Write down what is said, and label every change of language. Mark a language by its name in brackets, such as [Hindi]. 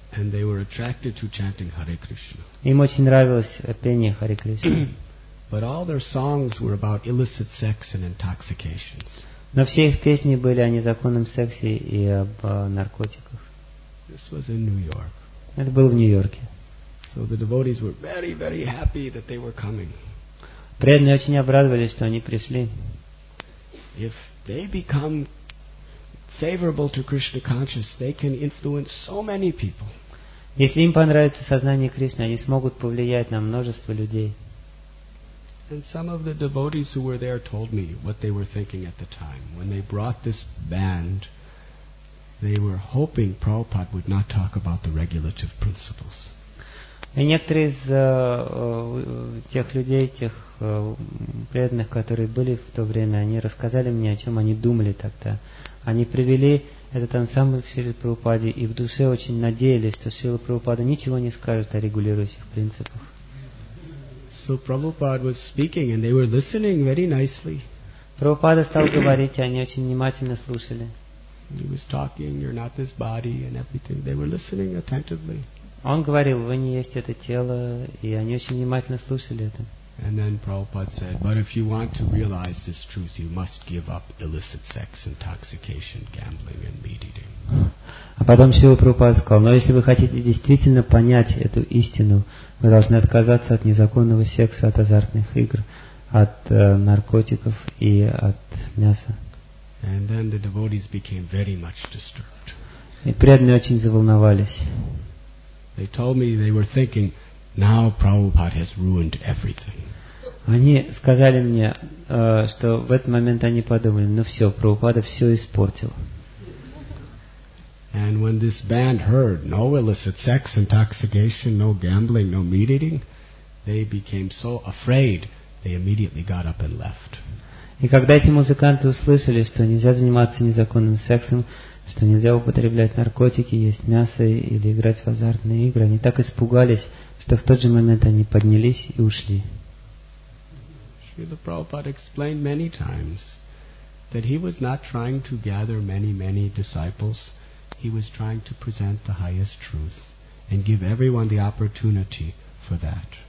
[English] And they were attracted to chanting Hare Krishna. [Russian] Им очень нравилось пение Харе Кришна. [English] But all their songs were about illicit sex and intoxications. [Russian] Но все их песни были о незаконном сексе и об наркотиках. [English] This was in New York. [Russian] Это было в Нью-Йорке. [English] So the devotees were very, very happy that they were coming. [Russian] Преданные очень обрадовались, что они пришли. [English] If they become favorable to Krishna conscious, they can influence so many people. [Russian] Если им понравится сознание Кришны, они смогут повлиять на множество людей. [English] And some of the devotees who were there told me what they were thinking at the time when they brought this band. They were hoping Prabhupada would not talk about the regulative principles. [Russian] И некоторые из тех людей, тех преданных, которые были в то время, они рассказали мне, о чем они думали тогда. Они привели этот ансамбль к Шриле Прабхупаде и в душе очень надеялись, что Шрила Прабхупада ничего не скажет о регулирующих принципах. [English] So Prabhupada was speaking and they were listening very nicely. [Russian] Прабхупада стал говорить, и они очень внимательно слушали. [English] He was talking, you're not this body and everything. They were listening attentively. [Russian] Он говорил, вы не есть это тело, и они очень внимательно слушали это. [English] And then Prabhupada said, but if you want to realize this truth, you must give up illicit sex, intoxication, gambling and meat eating. [Russian] А потом Шрила Прабхупада сказал, но если вы хотите действительно понять эту истину, вы должны отказаться от незаконного секса, от азартных игр, от наркотиков и от мяса. [English] And then the devotees became very much disturbed. [Russian] И преданные очень заволновались. [English] They told me they were thinking, now Prabhupada has ruined everything. [Russian] Они сказали мне, что в этот момент они подумали, ну все, Прабхупада все испортил. [English] And when this band heard no illicit sex, intoxication, no gambling, no meat eating, they became so afraid they immediately got up and left. [Russian] И когда эти музыканты услышали, что нельзя заниматься незаконным сексом, что нельзя употреблять наркотики, есть мясо или играть в азартные игры, они так испугались, что в тот же момент они поднялись и ушли. [English] Шрила Прабхупада explained many times that he was not trying to gather many, many disciples. He was trying to present the highest truth and give everyone the opportunity for that.